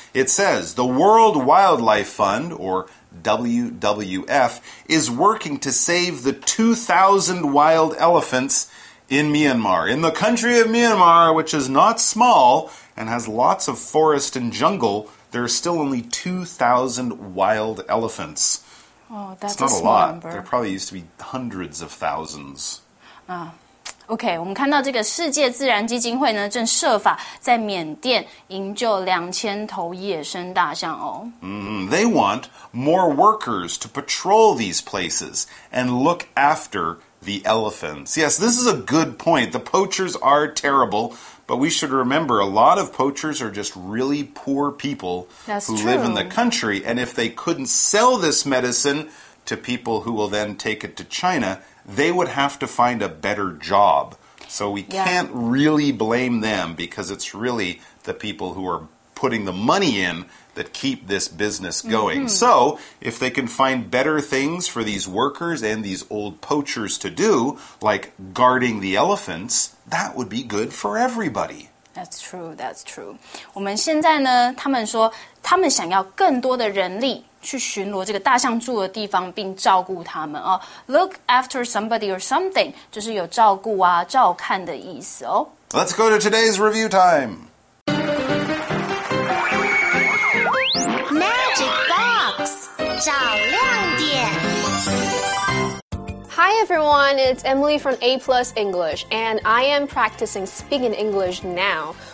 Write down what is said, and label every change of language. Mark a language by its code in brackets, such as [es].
[en] It says, the World Wildlife Fund, or WWF, is working to save the 2,000 wild elephants in Myanmar. In the country of Myanmar, which is not small and has lots of forest and jungle, there are still only 2,000 wild elephants. Oh, that's it's not a small lot. Number. There probably used to be hundreds of thousands. [zh] OK, 我们看到这个世界自然基金会呢正设法在缅甸营救2000头野生大象哦。 [en] They want more workers to patrol these places and look after the elephants. Yes, this is a good point. The poachers are terrible, but we should remember a lot of poachers are just really poor people live in the country. And if they couldn't sell this medicine to people who will then take it to China, they would have to find a better job. So we can't really blame them because it's really the people who are putting the money in that keep this business going. So if they can find better things for these workers and these old poachers to do, like guarding the elephants, that would be good for everybody. That's true, that's true. [zh] 我们现在呢，他们说他们想要更多的人力去巡逻这个大象住的地方并照顾他们哦。 Look after somebody or something, 就是有照顾啊，照看的意思哦。 [en] Let's go to today's review time. Hi everyone, it's Emily from A Plus English, and I am practicing speaking English now.